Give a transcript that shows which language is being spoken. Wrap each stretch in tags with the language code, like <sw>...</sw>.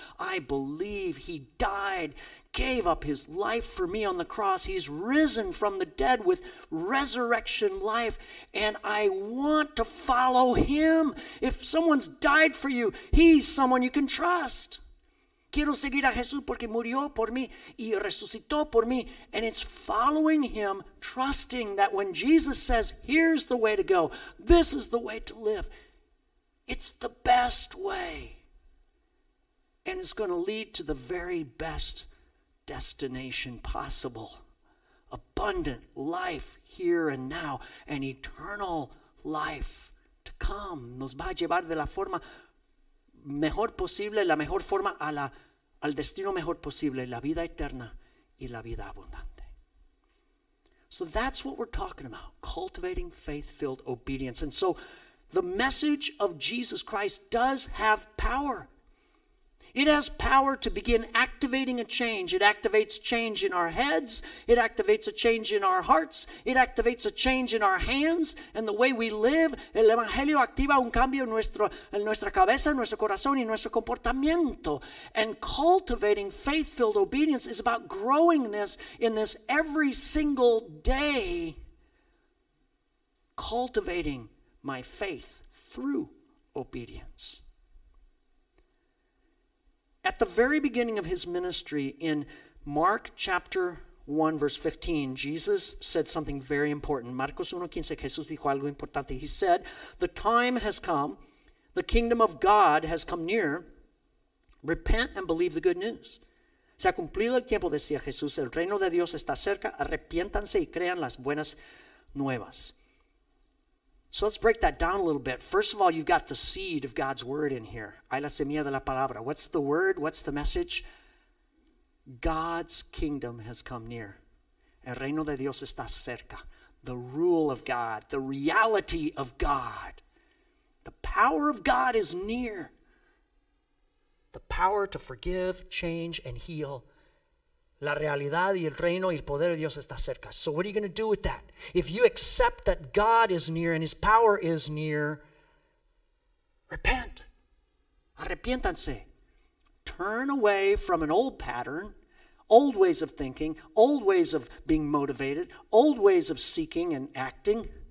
<en>I believe he died, gave up his life for me on the cross. He's risen from the dead with resurrection life, and I want to follow him. If someone's died for you, he's someone you can trust.</en> <es>Quiero seguir a Jesús porque murió por mí y resucitó por mí.</es> <en>And it's following him, trusting that when Jesus says, here's the way to go, this is the way to live, it's the best way. And it's going to lead to the very best destination possible. Abundant life here and now, and eternal life to come.</en> <es>Nos va a llevar de la forma mejor posible, la mejor forma a la al destino mejor posible, la vida eterna y la vida abundante.</es> <en>So that's what we're talking about, cultivating faith-filled obedience. And so the message of Jesus Christ does have power. It has power to begin activating a change. It activates change in our heads. It activates a change in our hearts. It activates a change in our hands and the way we live.</en> <es>El Evangelio activa un cambio en nuestra cabeza, en nuestro corazón y en nuestro comportamiento.</es> <en>And cultivating faith-filled obedience is about growing this in this every single day. Cultivating my faith through obedience. At the very beginning of his ministry in Mark chapter 1, verse 15, Jesus said something very important.</en> <es>Marcos 1, 15, Jesús dijo algo importante.</es> <en>He said, the time has come, the kingdom of God has come near, repent and believe the good news.</en> <es>Se ha cumplido el tiempo, decía Jesús, el reino de Dios está cerca, arrepiéntanse y crean las buenas nuevas.</es> <en>So let's break that down a little bit. First of all, you've got the seed of God's word in here.</en> <es>Hay la semilla de la palabra.</es> <en>What's the word? What's the message? God's kingdom has come near.</en> <es>El reino de Dios está cerca.</es> <en>The rule of God, the reality of God. The power of God is near. The power to forgive, change, and heal.</en> <es>La realidad y el reino y el poder de Dios está cerca.</es> <en>So what are you going to do with that? If you accept that God is near and his power is near, repent.</en> <es>Arrepiéntanse.</es> <en>Turn away from an old pattern, old ways of thinking, old ways of being motivated, old ways of seeking and acting.</en>